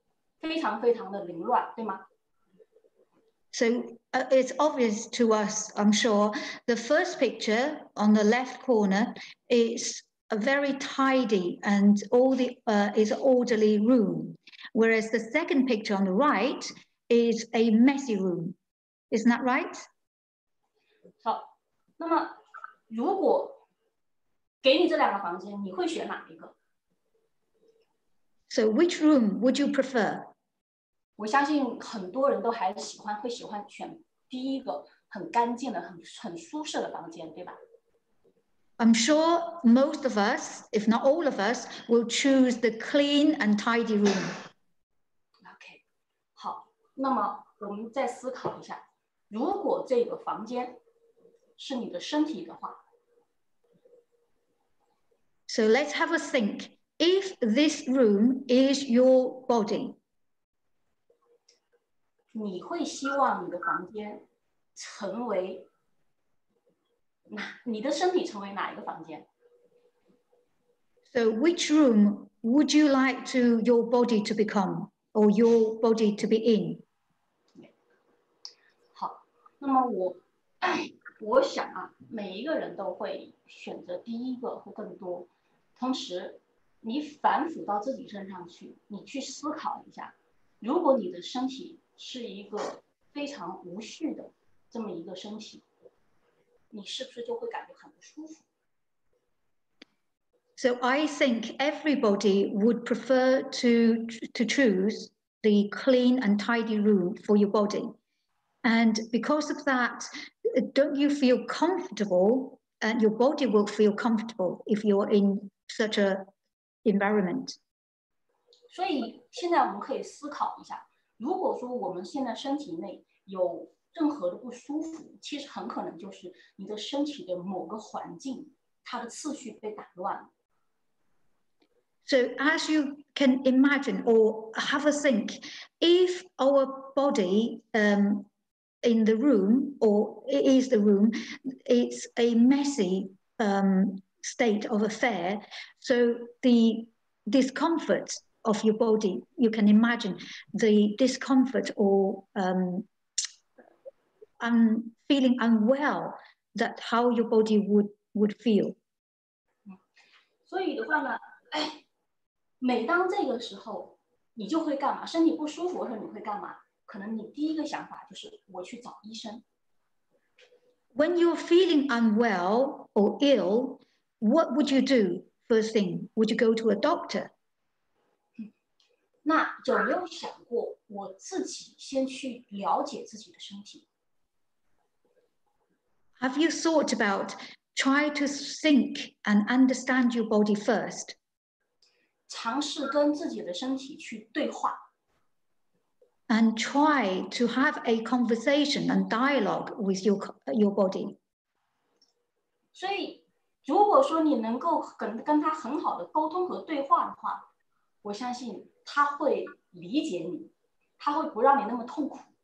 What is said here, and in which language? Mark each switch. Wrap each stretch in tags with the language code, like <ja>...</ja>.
<zh>都在井然有序地摆放着，而另外一个，它就非常非常的凌乱，对吗？</zh> <en>So it's obvious to us, I'm sure. The first picture on the left corner is a very tidy and all the is orderly room, whereas the second picture on the right is a messy room. Isn't that right?</en> <zh>好。那么，如果给你这两个房间，你会选哪一个？</zh> <en>So which room would you prefer?</en> <zh>我相信很多人都还喜欢，会喜欢选第一个很干净的、很舒适的房间，对吧？</zh> <en>I'm sure most of us, if not all of us, will choose the clean and tidy room.</en> <zh>Okay, 好，那么我们再思考一下，如果这个房间是你的身体的话。</zh> <en>So let's have a think. If this room is your body,</en> <zh>你会希望你的房间成为你的身体成为哪一个房间？</zh> <en>So which room would you like to your body to become or your body to be in?</en> <zh>好，那么我想啊，每一个人都会选择第一个或更多。同时，你反复到自己身上去，你去思考一下，如果你的身体是一个非常无序的这么一个身体，你是不是就会感觉很不舒服？</zh> <en>So I think everybody would prefer to choose the clean and tidy room for your body. And because of that, don't you feel comfortable? And your body will feel comfortable if you're in such an environment.</en> <zh>所以现在我们可以思考一下，如果说我们现在身体内有任何的不舒服，其实很可能就是你的身体的某个环境，它的次序被打乱了。</zh> <en>So as you can imagine or have a think, if our body in the room or it is the room, it's a messy state of affair. So the discomfort of your body, you can imagine the discomfort or feeling unwell, that how your body would feel.</en> <zh>所以的话呢，哎，每当这个时候，你就会干嘛？身体不舒服的时候，你会干嘛？可能你第一个想法就是我去找医生。</zh> <en>When you're feeling unwell or ill, what would you do first thing? Would you go to a doctor?</en> <zh>那有没有想过我自己先去了解自己的身体？</zh> <en>Have you thought about try to think and understand your body first?</en> <zh>尝试跟自己的身体去对话。</zh> <en>And try to have a conversation and dialogue with your body.</en> <zh>所以如果说你能够 跟他很好的沟通和对话的话，我相信他会理解你，他会不让你那么痛苦。</zh>